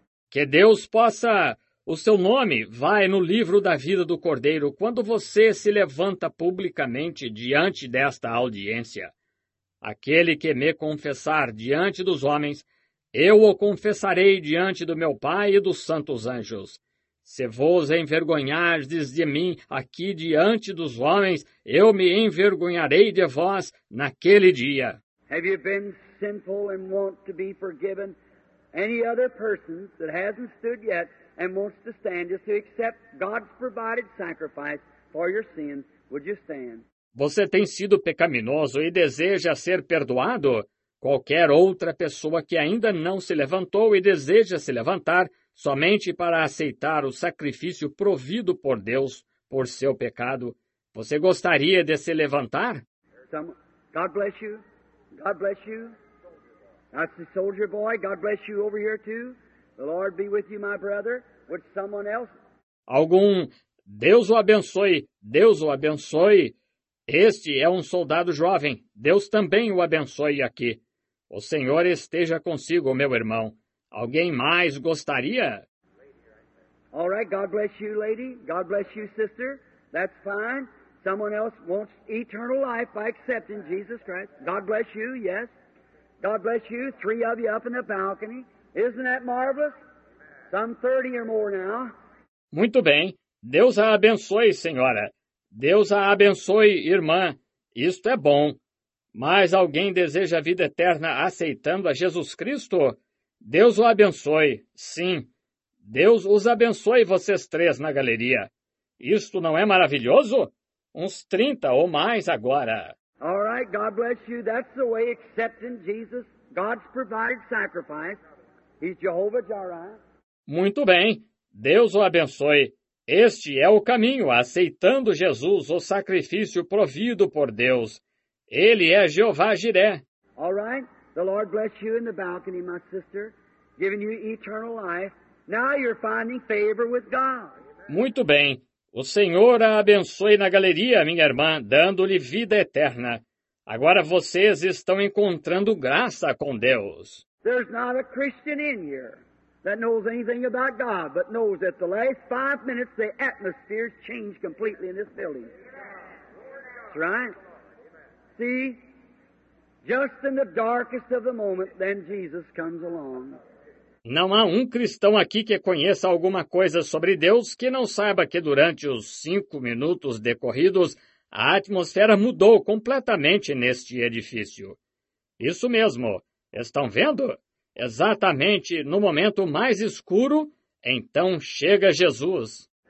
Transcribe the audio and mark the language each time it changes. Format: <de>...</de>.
<pt>Que Deus possa... O seu nome vai no livro da vida do Cordeiro quando você se levanta publicamente diante desta audiência. Aquele que me confessar diante dos homens, eu o confessarei diante do meu Pai e dos santos anjos. Se vos envergonhardes de mim aqui diante dos homens, eu me envergonharei de vós naquele dia.</pt> <en>Have you been sinful and want to be forgiven? Any other person that hasn't stood yet and wants to stand, just to accept God's provided sacrifice for your sin, would you stand?</en> <pt>Você tem sido pecaminoso e deseja ser perdoado? Qualquer outra pessoa que ainda não se levantou e deseja se levantar somente para aceitar o sacrifício provido por Deus por seu pecado, você gostaria de se levantar?</pt> <en>God bless you. God bless you. That's the soldier boy. God bless you over here too. The Lord be with you, my brother. Would someone else?</en> <pt>Algum, Deus o abençoe, Deus o abençoe. Este é um soldado jovem. Deus também o abençoe aqui. O Senhor esteja consigo, meu irmão. Alguém mais gostaria?</pt> <en>All right, God bless you, lady. God bless you, sister. That's fine. Someone else wants eternal life by accepting Jesus Christ. God bless you, yes. God bless you, three of you up in the balcony. Isn't that marvelous? Some 30 or more now.</en> <pt>Muito bem. Deus a abençoe, senhora. Deus a abençoe, irmã. Isto é bom. Mas alguém deseja a vida eterna aceitando a Jesus Cristo? Deus o abençoe. Sim. Deus os abençoe, vocês três na galeria. Isto não é maravilhoso? Uns 30 ou mais agora.</pt> <en>All right, God bless you. That's the way accepting Jesus, God's provided sacrifice. He's Jehovah Jireh.</en> <pt>Muito bem. Deus o abençoe. Este é o caminho, aceitando Jesus, o sacrifício provido por Deus. Ele é Jeová Jireh.</pt> <en>All right. The Lord bless you in the balcony, my sister, giving you eternal life. Now you're finding favor with God.</en> <pt>Muito bem. O Senhor a abençoe na galeria, minha irmã, dando-lhe vida eterna. Agora vocês estão encontrando graça com Deus.</pt> <en>There's not a Christian in here that knows anything about God, but knows that the last 5 minutes the atmosphere's changed completely in this building. That's right. See, just in the darkest of the moment, then Jesus comes along.</en> <pt>Não há um cristão aqui que conheça alguma coisa sobre Deus que não saiba que durante os 5 minutos decorridos, a atmosfera mudou completamente neste edifício. Isso mesmo. Estão vendo? Exatamente no momento mais escuro, então chega Jesus.</pt>